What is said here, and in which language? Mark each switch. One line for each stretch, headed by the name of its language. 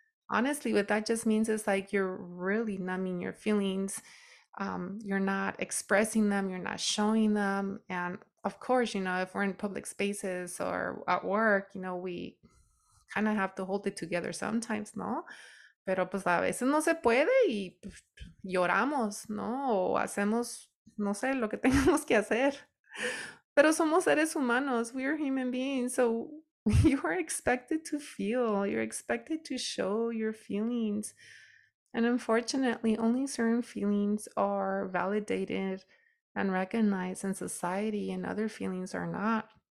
English: Honestly, what that just means is like, you're really numbing your feelings. You're not expressing them, you're not showing them. And of course, you know, if we're in public spaces or at work, you know, we kind of have to hold it together sometimes, no?
Spanish: Pero pues a veces no se puede y lloramos, no? O hacemos, no sé, lo que tengamos que hacer. Pero somos seres humanos,
English: we are human beings. So you are expected to feel, you're expected to show your feelings. And unfortunately, only certain feelings are validated and recognized in society and other feelings are not.